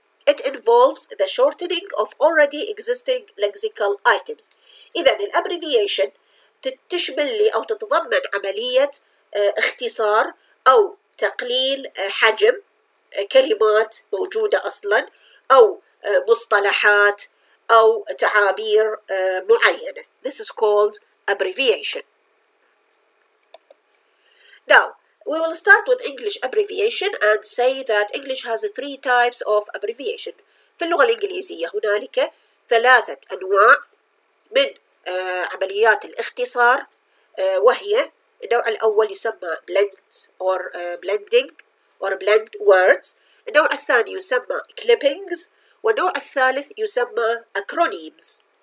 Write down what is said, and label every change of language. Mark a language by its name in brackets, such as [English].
[English] It involves the shortening of already existing lexical items، [Arabic] إذن الابريفيشن تشمل لي أو تتضمن عملية اختصار أو تقليل حجم كلمات موجودة أصلاً أو مصطلحات أو تعابير معينة. [English] This is called abbreviation. Now, we will start with English abbreviation and say that English has three types of abbreviation. [Arabic] في اللغة الإنجليزية هنالك ثلاثة أنواع من عمليات الاختصار، وهي النوع الأول يسمى blend or blending or blend words، النوع الثاني يسمى clippings، والنوع الثالث يسمى acronyms.